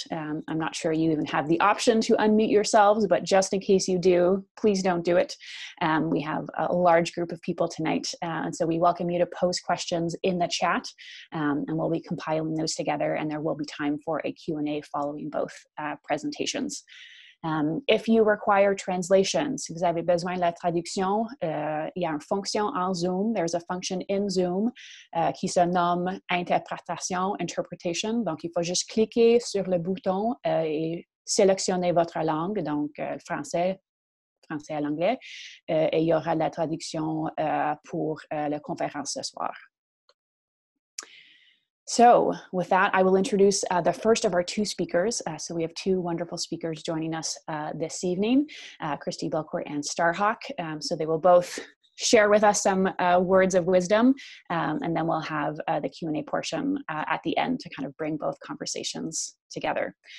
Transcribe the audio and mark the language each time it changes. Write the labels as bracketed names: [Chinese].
[English] I'm not sure you even have the option to unmute yourselves, but just in case you do, please don't do it. We have a large group of people tonight. And so we welcome you to post questions in the chat and we'll be compiling those together, and there will be time for a Q&A following both presentations. If you require translations, [French] vous avez besoin de la traduction, il y a une fonction en Zoom, [English] there's a function in Zoom [French] qui se nomme interprétation, interpretation, donc il faut juste cliquer sur le bouton et sélectionner votre langue, donc le français, français à l'anglais, et il y aura la traduction pour la conférence ce soir. [English] So with that, I will introduce the first of our two speakers. So we have two wonderful speakers joining us this evening, Christi Belcourt and Starhawk. So they will both share with us some words of wisdom, and then we'll have the Q&A portion at the end to kind of bring both conversations together.